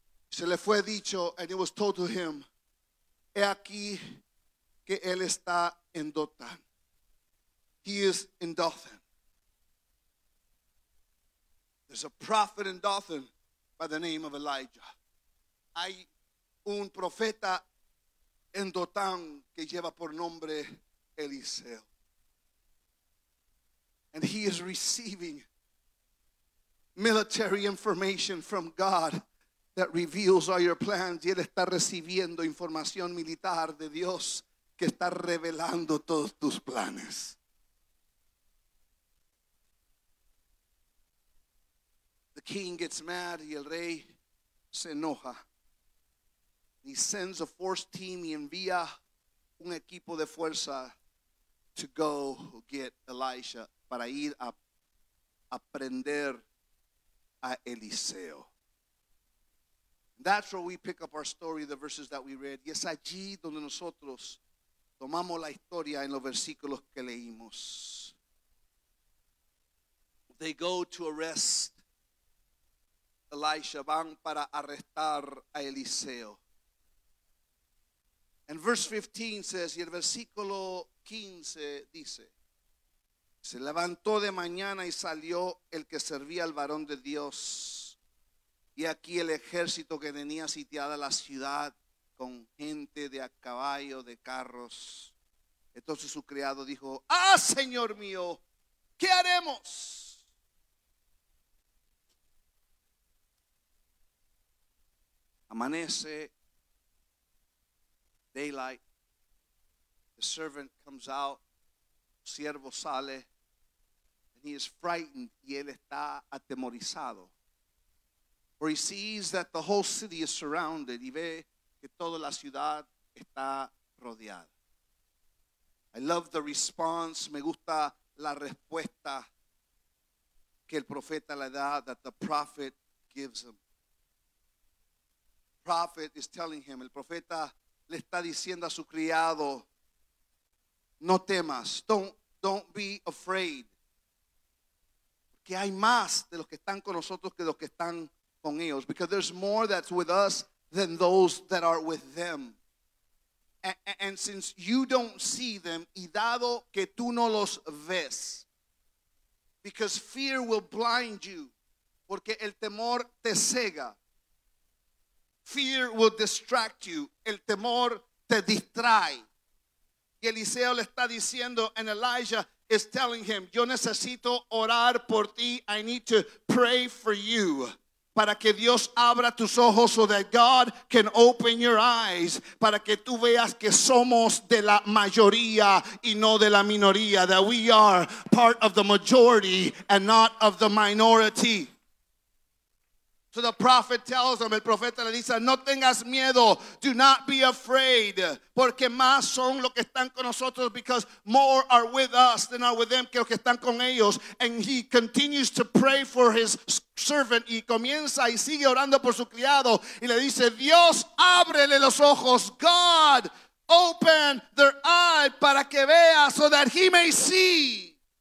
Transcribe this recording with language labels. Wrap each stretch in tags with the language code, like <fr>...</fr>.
<es>Se le fue dicho,</es> <en>and it was told to him,</en> <es>he aquí que él está en Dothan.</es> <en>He is in Dothan. There's a prophet in Dothan by the name of Elijah.</en> <es>Hay un profeta en Dothan que lleva por nombre Eliseo.</es> <en>And he is receiving military information from God that reveals all your plans.</en> <es>Y él está recibiendo información militar de Dios que está revelando todos tus planes.</es> <en>King gets mad,</en> <es>y el rey se enoja.</es> <en>He sends a force team,</en> <es>y envía un equipo de fuerza</es> <en>to go get Elisha,</en> <es>para ir a prender a Eliseo.</es> <en>That's where we pick up our story, the verses that we read.</en> <es>Y es allí donde nosotros tomamos la historia en los versículos que leímos.</es> <en>They go to arrest Elisha,</en> <es>van para arrestar a Eliseo.</es> <en>And verse 15 says,</en> <es>y el versículo 15 dice, se levantó de mañana y salió el que servía al varón de Dios. Y aquí el ejército que tenía sitiada la ciudad con gente de a caballo, de carros. Entonces su criado dijo, ah, señor mío, ¿qué haremos? Amanece,</es> <en>daylight, the servant comes out,</en> <es>siervo sale,</es> <en>and he is frightened,</en> <es>y él está atemorizado.</es> <en>For he sees that the whole city is surrounded.</en> <es>Y ve que toda la ciudad está rodeada.</es> <en>I love the response.</en> <es>Me gusta la respuesta que el profeta le da,</es> <en>that the prophet gives him. Prophet is telling him,</en> <es>el profeta le está diciendo a su criado, no temas,</es> <en>don't be afraid.</en> <es>Que hay más de los que están con nosotros que los que están con ellos.</es> <en>Because there's more that's with us than those that are with them. And since you don't see them,</en> <es>y dado que tú no los ves,</es> <en>because fear will blind you,</en> <es>porque el temor te cega.</es> <en>Fear will distract you.</en> <es>El temor te distrae. Y Eliseo le está diciendo,</es> <en>and Elijah is telling him,</en> <es>yo necesito orar por ti.</es> <en>I need to pray for you.</en> <es>Para que Dios abra tus ojos</es> <en>so that God can open your eyes.</en> <es>Para que tú veas que somos de la mayoría y no de la minoría.</es> <en>That we are part of the majority and not of the minority. So the prophet tells him,</en> <es>el profeta le dice, no tengas miedo,</es> <en>do not be afraid,</en> <es>porque más son los que están con nosotros,</es> <en>because more are with us than are with them,</en> <es>que los que están con ellos.</es> <en>And he continues to pray for his servant,</en> <es>y comienza y sigue orando por su criado, y le dice, Dios, ábrele los ojos,</es> <en>God, open their eye,</en> <es>para que vea,</es> <en>so that he may see.</en>